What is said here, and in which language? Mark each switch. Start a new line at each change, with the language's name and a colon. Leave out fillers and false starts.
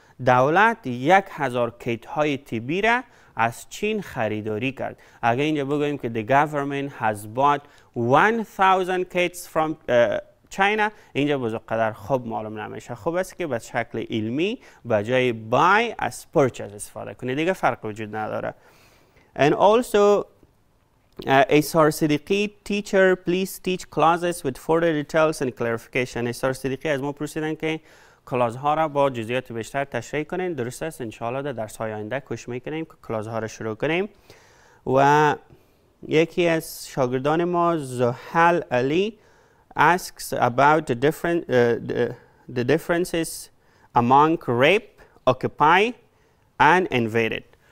Persian: دولت 1000 کیت های تیبی را از چین خریداری کرد. اگه اینجا بگوییم که
English: the government has bought 1000 kits from China،
Persian: اینجا بزرگقدر خوب معلوم نمیشه. خوب است که به شکل علمی به جای buy از purchase استفاده کنی، دیگه فرق وجود نداره.
English: And also Asar Siddiqui, teacher please teach clauses with further details and clarification.
Persian: اسار صدیقی از ما پرسیدن که کلاس ها را با جزئیات بیشتر تشریح کنیم. درست است، ان شاء الله در درس های آینده کوشش میکنیم که کلاس ها را شروع کنیم. و یکی از شاگردان ما زحل علی
English: asks about the differences among rape, occupy, and invaded.